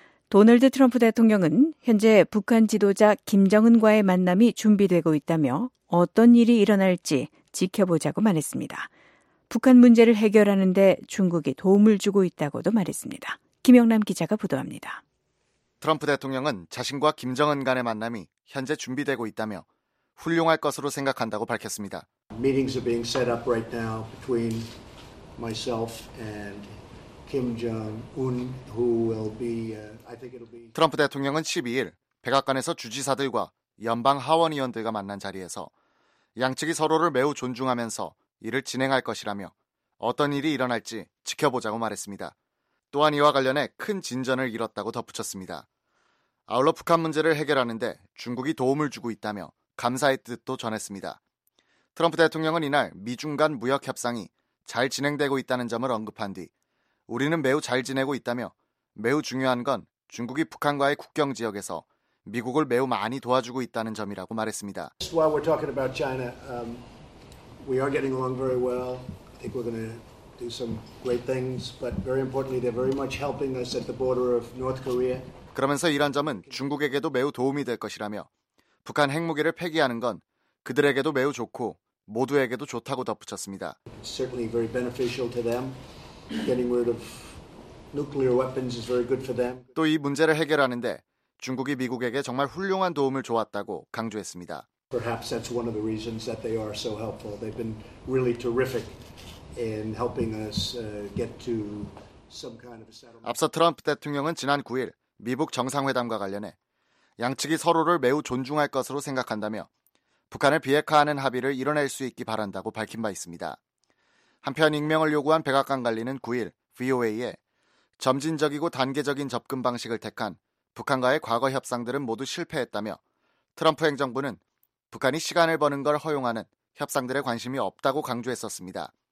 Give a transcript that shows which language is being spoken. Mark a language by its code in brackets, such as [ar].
[ko] 도널드 트럼프 대통령은 현재 북한 지도자 김정은과의 만남이 준비되고 있다며 어떤 일이 일어날지 지켜보자고 말했습니다. 북한 문제를 해결하는 데 중국이 도움을 주고 있다고도 말했습니다. 김영남 기자가 보도합니다. 트럼프 대통령은 자신과 김정은 간의 만남이 현재 준비되고 있다며 훌륭할 것으로 생각한다고 밝혔습니다. [en] Meetings are being set up right now between myself and Kim Jong-un who will be I think it'll be [ko] 트럼프 대통령은 12일 백악관에서 주지사들과 연방 하원 의원들과 만난 자리에서 양측이 서로를 매우 존중하면서 이를 진행할 것이라며 어떤 일이 일어날지 지켜보자고 말했습니다. 또한 이와 관련해 큰 진전을 이뤘다고 덧붙였습니다. 아울러 북한 문제를 해결하는데 중국이 도움을 주고 있다며 감사의 뜻도 전했습니다. 트럼프 대통령은 이날 미중 간 무역 협상이 잘 진행되고 있다는 점을 언급한 뒤 우리는 매우 잘 지내고 있다며 매우 중요한 건 중국이 북한과의 국경 지역에서 미국을 매우 많이 도와주고 있다는 점이라고 말했습니다. [en] This is why we're talking about China. We are getting along very well. I think we're going to do some great things. But very importantly, they're very much helping us at the border of North Korea. [ko] 그러면서 이런 점은 중국에게도 매우 도움이 될 것이라며 북한 핵무기를 폐기하는 건 그들에게도 매우 좋고 모두에게도 좋다고 덧붙였습니다. [en] Certainly very beneficial to them. Getting rid of nuclear weapons is very good for them. [ko] 또 이 문제를 해결하는데 중국이 미국에게 정말 훌륭한 도움을 주었다고 강조했습니다. [en] Perhaps that's one of the reasons that they are so helpful. They've been really terrific in helping us get to some kind of a settlement. [ko] 앞서 트럼프 대통령은 지난 9일 미북 정상회담과 관련해 양측이 서로를 매우 존중할 것으로 생각한다며 북한을 비핵화하는 합의를 이뤄낼 수 있기 바란다고 밝힌 바 있습니다. 한편 익명을 요구한 백악관 관리는 9일 VOA에 점진적이고 단계적인 접근 방식을 택한 북한과의 과거 협상들은 모두 실패했다며 트럼프 행정부는 북한이 시간을 버는 걸 허용하는 협상들에 관심이 없다고 강조했었습니다.